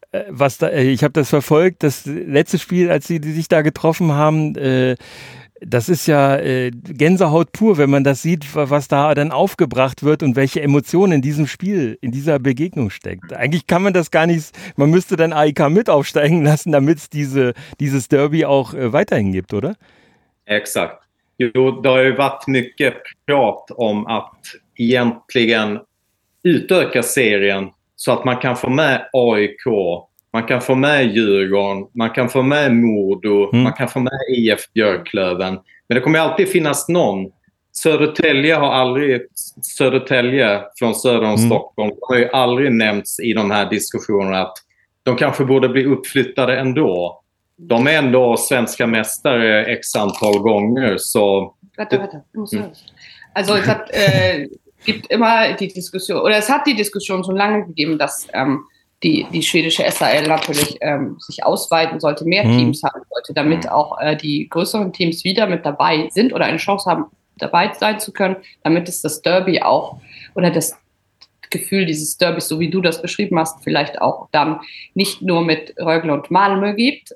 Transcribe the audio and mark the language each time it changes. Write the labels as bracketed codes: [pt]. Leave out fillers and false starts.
[de] Was da, ich habe das verfolgt, das letzte Spiel, als sie sich da getroffen haben, das ist ja Gänsehaut pur, wenn man das sieht, was da dann aufgebracht wird und welche Emotionen in diesem Spiel, in dieser Begegnung steckt. Eigentlich kann man das gar nicht, man müsste dann AIK mit aufsteigen lassen, damit es dieses Derby auch weiterhin gibt, oder? [sv] Exakt. Jo, da har ju varit mycket prat om att egentligen utöka serien så att man kan få med AIK, man kan få med Djurgården, man kan få med Modo, man kan få med IF Björklöven. Men det kommer alltid finnas någon. Södertälje har aldrig, Södertälje från söder om Stockholm, har ju aldrig nämnts i de här diskussionerna att de kanske borde bli uppflyttade ändå. De är ändå svenska mästare x antal gånger. Så vänta. [de] Alltså, gibt immer die Diskussion, oder es hat die Diskussion schon lange gegeben, dass die schwedische SHL natürlich sich ausweiten sollte, mehr Teams haben sollte, damit auch die größeren Teams wieder mit dabei sind oder eine Chance haben, dabei sein zu können, damit es das Derby auch oder das Gefühl dieses Derbys, so wie du das beschrieben hast, vielleicht auch dann nicht nur mit Rögle und Malmö gibt.